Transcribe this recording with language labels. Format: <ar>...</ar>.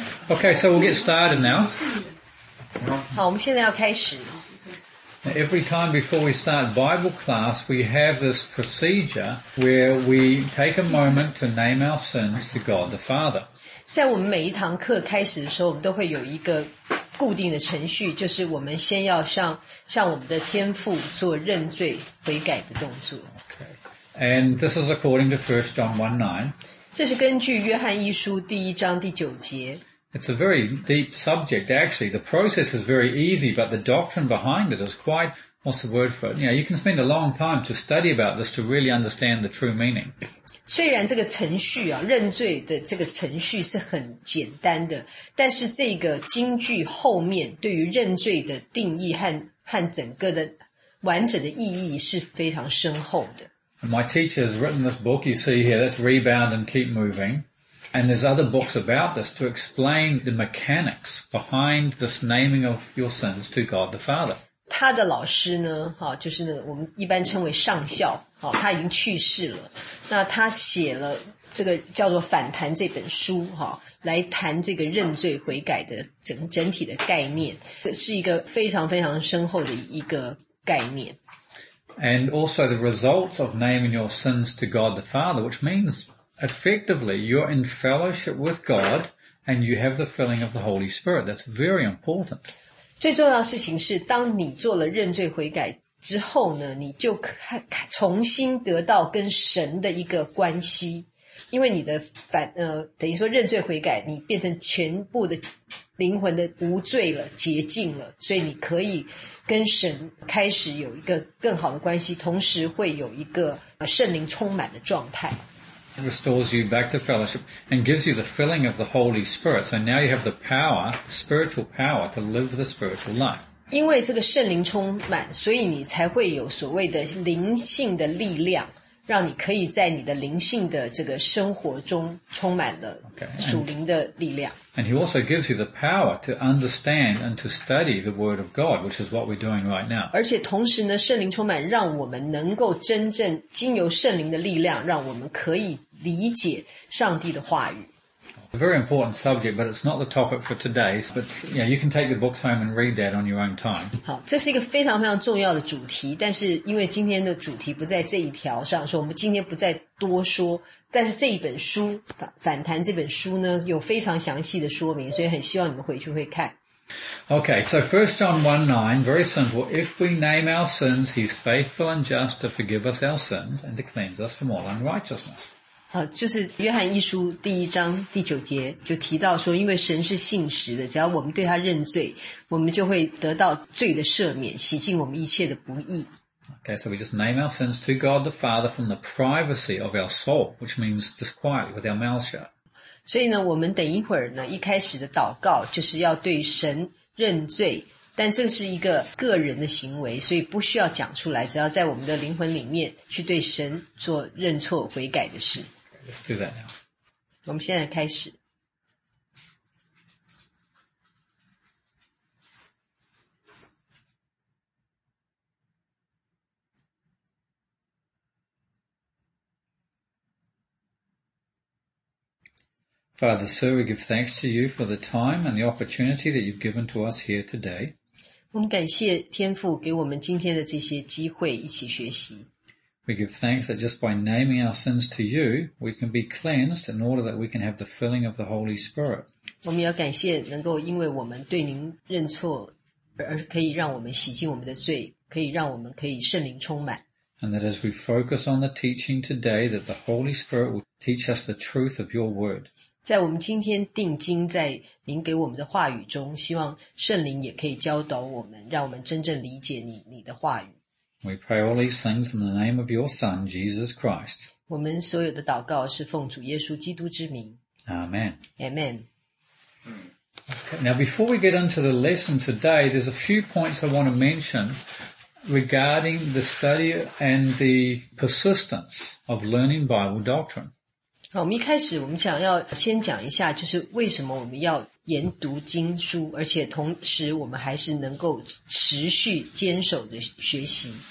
<en>Okay, so we'll get started now. Every time before we start Bible class, we have this procedure where we take a moment to name our sins to God the Father.</en> <zh>在我们每一堂课开始的时候，我们都会有一个固定的程序，就是我们先要向我们的天父做认罪悔改的动作。</zh> <en>And this is according to 1 John 1:9.</en> <zh>这是根据约翰一书第一章第九节。</zh> <en>It's a very deep subject, actually. The process is very easy, but the doctrine behind it is quite, what's the word for it? You know, you can spend a long time to study about this to really understand the true meaning.</en> <zh>虽然这个程序啊，认罪的这个程序是很简单的，但是这个经句后面对于认罪的定义和整个的完整的意义是非常深厚的。</zh> <en>My teacher has written this book you see here, that's Rebound and Keep Moving. And there's other books about this to explain the mechanics behind this naming of your sins to God the Father.</en> <zh>他的老师呢，就是那个我们一般称为上校，他已经去世了。那他写了这个叫做反弹这本书，来谈这个认罪悔改的整体的概念，是一个非常非常深厚的一个概念。</zh> <en>And also the results of naming your sins to God the Father, which means effectively you're in fellowship with God and you have the filling of the Holy Spirit. That's very important.</en> <zh>最重要的事情是当你做了认罪悔改之后呢，你就重新得到跟神的一个关系。因为你的等于说认罪悔改，你变成全部的灵魂的无罪了，洁净了，所以你可以跟神开始有一个更好的关系，同时会有一个圣灵充满的状态。</zh> <en>It restores you back to fellowship and gives you the filling of the Holy Spirit. So now you have the power, the spiritual power, to live the spiritual life.</en> <zh>因为这个圣灵充满，所以你才会有所谓的灵性的力量。让你可以在你的灵性的这个生活中充满了属灵的力量。</zh> <en>Okay. And he also gives you the power to understand and to study the word of God, which is what we're doing right now.</en> <zh>而且同时呢，圣灵充满让我们能够真正经由圣灵的力量，让我们可以理解上帝的话语。</zh> <en>A very important subject, but it's not the topic for today. But yeah, you can take the books home and read that on your own time.</en> <zh>好，这是一个非常非常重要的主题，但是因为今天的主题不在这一条上，所以我们今天不再多说。但是这一本书反弹这本书呢，有非常详细的说明，所以很希望你们回去会看。</zh> <en>Okay, so 1 John 1:9, very simple. If we name our sins, He's faithful and just to forgive us our sins and to cleanse us from all unrighteousness.</en> <zh>就是约翰一书第一章第九节就提到说，因为神是信实的，只要我们对他认罪，我们就会得到罪的赦免，洗净我们一切的不义。</zh> <en>Okay, so we just name our sins to God the Father from the privacy of our soul, which means just quietly with our mouth shut.</en> <zh>所以呢，我们等一会儿呢，一开始的祷告就是要对神认罪，但这是一个个人的行为，所以不需要讲出来，只要在我们的灵魂里面去对神做认错悔改的事。</zh> <en>Let's do that now.</en> <zh>我们现在开始。</zh> <en>Father, sir, we give thanks to you for the time and the opportunity that you've given to us here today.</en> <zh>我们感谢天父给我们今天的这些机会一起学习。</zh> <en>We give thanks that just by naming our sins to you, we can be cleansed in order that we can have the filling of the Holy Spirit.</en> <zh>我们要感谢能够因为我们对您认错而可以让我们洗净我们的罪，可以让我们可以圣灵充满。</zh> <en>And that as we focus on the teaching today, that the Holy Spirit will teach us the truth of your word.</en> <zh>在我们今天定睛在您给我们的话语中，希望圣灵也可以教导我们，让我们真正理解你的话语。</zh> <en>We pray all these things in the name of your Son, Jesus Christ.</en> <zh>我们所有的祷告是奉主耶稣基督之名。</zh> <en>Amen. Amen. Okay, now before we get into the lesson today, there's a few points I want to mention regarding the study and the persistence of learning Bible doctrine.</en> <zh>好，我们一开始我们想要先讲一下，就是为什么我们要研读经书，而且同时我们还是能够持续坚守的学习。</zh>